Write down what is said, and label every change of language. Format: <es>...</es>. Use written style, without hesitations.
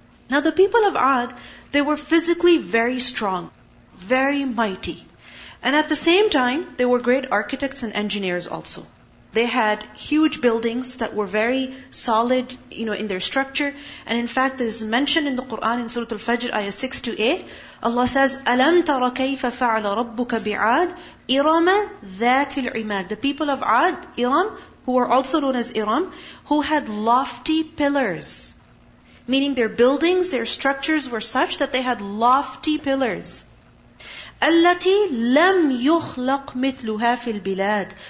<en>Now the people of Ad, they were physically very strong, very mighty. And at the same time, they were great architects and engineers also. They had huge buildings that were very solid, you know, in their structure. And in fact, this is mentioned in the Quran in Surah Al-Fajr, ayah 6-8. Allah says,</en> <ar>أَلَمْ تَرَ كَيْفَ فَعْلَ رَبُّكَ بِعَادِ إِرَمَ ذَاتِ الْعِمَادِ.</ar> <en>The people of Ad, Iram, who are also known as Iram, who had lofty pillars. Meaning their buildings, their structures were such that they had lofty pillars.</en> <ar>الَّتِي لَمْ يُخْلَقْ مِثْلُهَا فِي الْبِلَادِ.</ar>